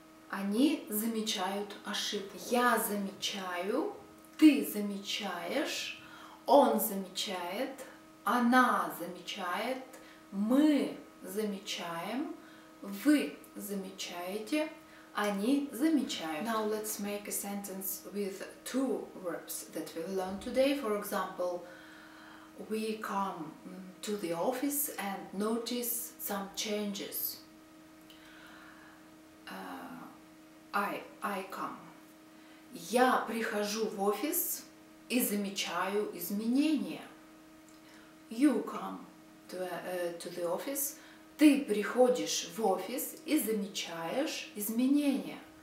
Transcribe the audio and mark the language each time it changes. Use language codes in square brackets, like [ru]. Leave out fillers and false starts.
[ru] Они замечают ошибку. Я замечаю. Ты замечаешь. Он замечает, она замечает, мы замечаем, вы замечаете, они замечают. [en] Now let's make a sentence with two verbs that we learned today. For example, we come to the office and notice some changes. I come. [ru] Я прихожу в офис и замечаю изменения. [en] You come to the office. [ru] Ты приходишь в офис и замечаешь изменения.